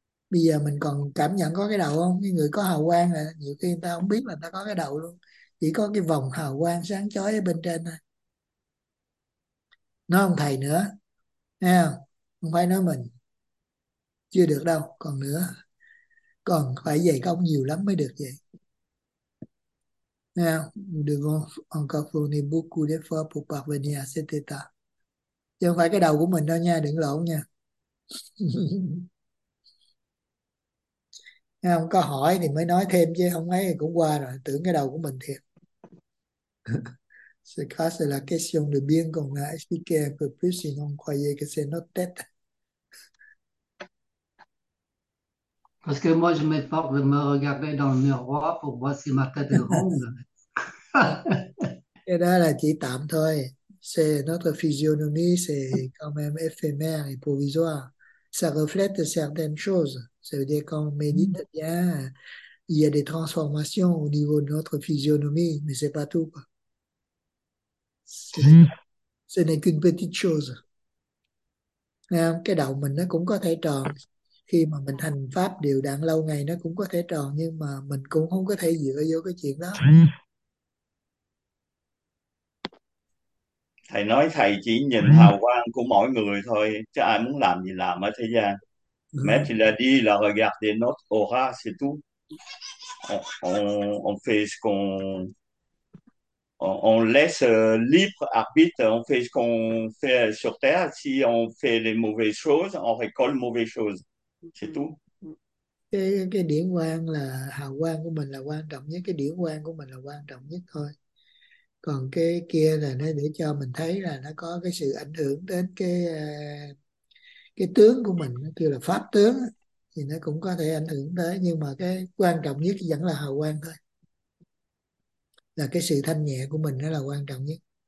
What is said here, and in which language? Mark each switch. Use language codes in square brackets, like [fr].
[vi] Bây giờ mình còn cảm nhận có cái đầu không? Cái người có hào quang là nhiều khi người ta không biết là ta có cái đầu luôn, chỉ có cái vòng hào quang sáng chói ở bên trên thôi, nói ông thầy nữa nha, không phải nói mình. Chưa được đâu, còn nữa. Còn phải dày công nhiều lắm mới được vậy. [fr] Hein, nous devons encore fournir beaucoup d'efforts pour parvenir à cet état. Ce n'est pas [vi] cái đầu của mình đâu nha, đừng lộn nha. Không có hỏi thì mới nói thêm chứ không ấy cũng qua rồi, tưởng cái đầu của mình thiệt. [fr] C'est quoi, c'est la question de bien qu'on a expliqué un peu plus, sinon on croyait que c'est notre tête. Parce que moi, je m'efforce de me regarder dans le miroir pour voir si ma tête est ronde. [vi] Cái đó là chỉ tạm thôi. [fr] C'est notre physionomie, c'est quand même éphémère et provisoire. Ça reflète certaines choses. Ça veut dire qu'on médite bien, il y a des transformations au niveau de notre physionomie, mais c'est pas tout. Ce n'est qu'une petite chose. [vi] Cái đầu mình nó cũng có thể tròn. Khi mà mình hành pháp đều đặn lâu ngày nó cũng có thể tròn, nhưng mà mình cũng không có thể dựa vô cái chuyện đó. Thầy nói thầy chỉ nhìn Ừ. hào quang của mỗi người thôi, chứ ai muốn làm gì làm ở thế gian. Mẹ Ừ. thì là đi là rồi gạt đi nốt ô ra [fr] c'est tout. On fait ce qu'on on laisse libre arbitre, on fait ce qu'on fait sur Terre. Si on fait les mauvaises choses, on récolte les mauvaises choses. C'est tout. [vi] Cái điểm quang là hào quang của mình là quan trọng nhất, cái điểm quang của mình là quan trọng nhất thôi. Còn cái kia là nó để cho mình thấy là nó có cái sự ảnh hưởng đến cái tướng của mình, nó kêu là pháp tướng thì nó cũng có thể ảnh hưởng tới, nhưng mà cái quan trọng nhất vẫn là hào quang thôi, là cái sự thanh nhẹ của mình, nó là quan trọng nhất.